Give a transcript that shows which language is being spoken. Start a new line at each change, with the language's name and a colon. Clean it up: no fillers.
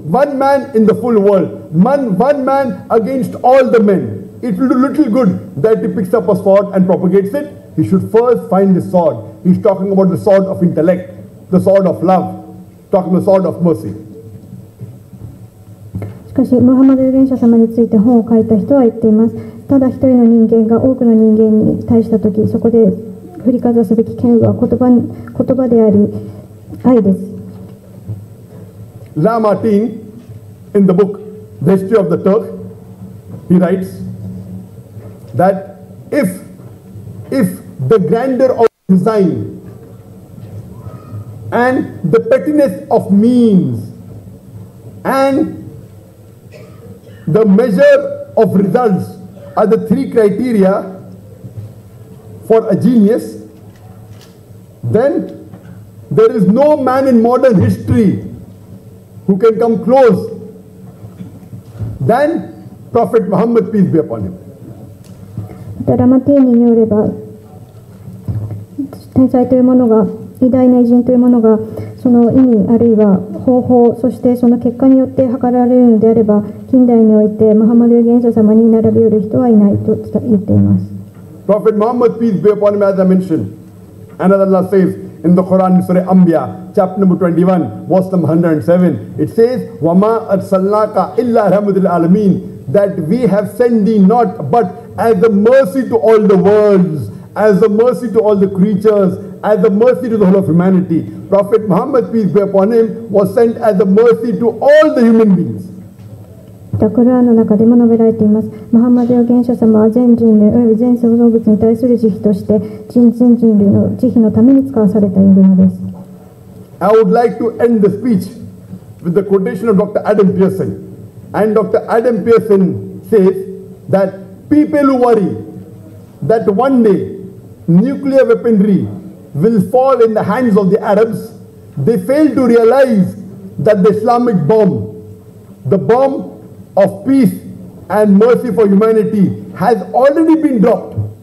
English: One man in the full world. One man against all the men. It will do little good that he picks up a sword and propagates it. He should first find the sword. He's talking about the sword of intellect, the sword of love, talking the sword of mercy.
Japanese: しかし、ムハンマド預言者様について本を書いた人は言っています。ただ一人の人間が多くの人間に対したとき、そこで振りかざすべき剣は言葉であり、愛です。
English: Lamartine, in the book The History of the Turk, he writes that if the grandeur of design and the pettiness of means and the measure of results are the three criteria for a genius, then there is no man in modern historywho can come close than Prophet Muhammad, peace be upon him.
Japanese: ラマティーニによれば、天才というものが、偉大な偉人というものが、その意味あるいは方法、そしてその結果によって測られるのであれば、近代においてムハンマド預言者様に並び寄る人はいないと言っています。
English: Prophet Muhammad, peace be upon him, as I mentioned, and as Allah says,In the Quran, Surah Anbiya, chapter number 21, verse number 107, it says,
Arabic: وَمَا أَرْسَلْنَاكَ إِلَّا رَحْمَةً لِلْعَالَمِينَ
English: That we have sent thee not but as a mercy to all the worlds, as a mercy to all the creatures, as a mercy to the whole of humanity. Prophet Muhammad, peace be upon him, was sent as a mercy to all the human beings.
Japanese: The Quran の中でも述べられています。ムハンマド預言者様は全人類および全創造物に対する慈悲として、全人類の慈悲のために使わされているのです。
English: I would like to end the speech with the quotation of Dr. Adam Pearson. And Dr. Adam Pearson says that people who worry that one day nuclear weaponry will fall in the hands of the Arabs, they fail to realize that the Islamic bomb, the bombOf peace and mercy for humanity has already been dropped.